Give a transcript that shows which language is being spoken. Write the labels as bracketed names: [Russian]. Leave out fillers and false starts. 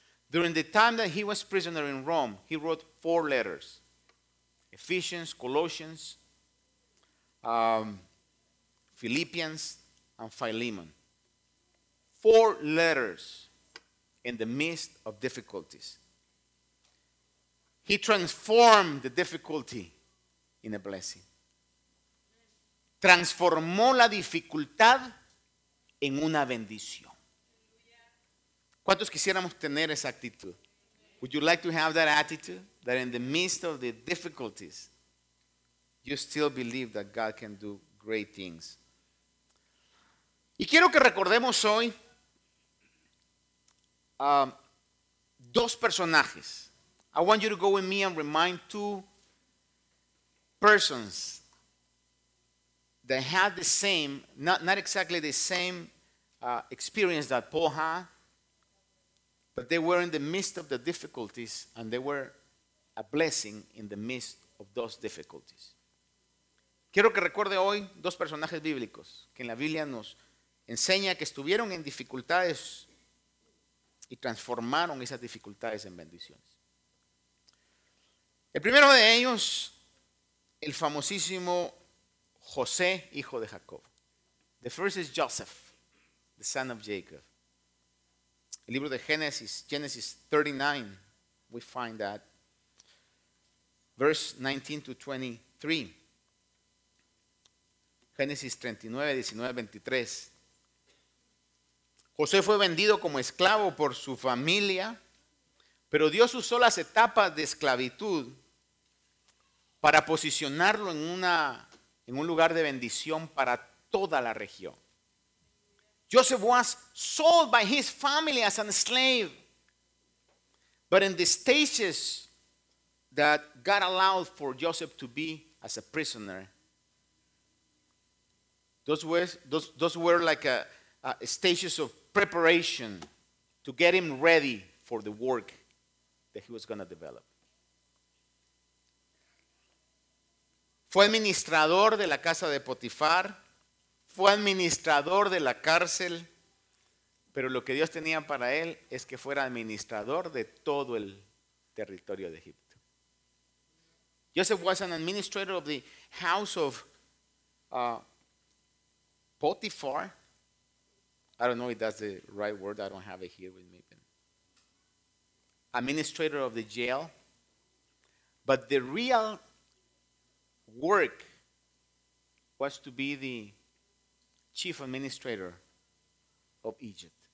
[English] During the time that he was prisoner in Rome, he wrote 4 letters: Ephesians, Colossians, Philippians, and Philemon. 4 letters in the midst of difficulties. He transformed the difficulty in a blessing. [Spanish] Transformó la dificultad en una bendición. ¿Cuántos quisiéramos tener esa actitud? [English] Would you like to have that attitude? That in the midst of the difficulties, you still believe that God can do great things. [Spanish] Y quiero que recordemos hoy dos personajes. [English] I want you to go with me and remind 2 persons that had the same, not exactly the same experience that Paul had, but they were in the midst of the difficulties and they were a blessing in the midst of those difficulties. [Spanish] Quiero que recuerde hoy 2 personajes bíblicos que en la Biblia nos enseña que estuvieron en dificultades y transformaron esas dificultades en bendiciones. El primero de ellos, el famosísimo José, hijo de Jacob. [English] The first is Joseph, the son of Jacob. [Spanish] El libro de Génesis, [English] Genesis 39, we find that. Verse 19-23. [Spanish] Génesis 39:19-23. José fue vendido como esclavo por su familia, pero Dios usó las etapas de esclavitud para posicionarlo en un lugar de bendición para toda la región. [English] Joseph was sold by his family as a slave, but in the stages that God allowed for Joseph to be as a prisoner, those were like a stages of preparation to get him ready for the work that he was going to develop. [Spanish] Fue administrador de la casa de Potifar, fue administrador de la cárcel, pero lo que Dios tenía para él es que fuera administrador de todo el territorio de Egipto. [English] Joseph was an administrator of the house of Potiphar. I don't know if that's the right word, I don't have it here with me. Administrator of the jail, but the real work was to be the chief administrator of Egypt.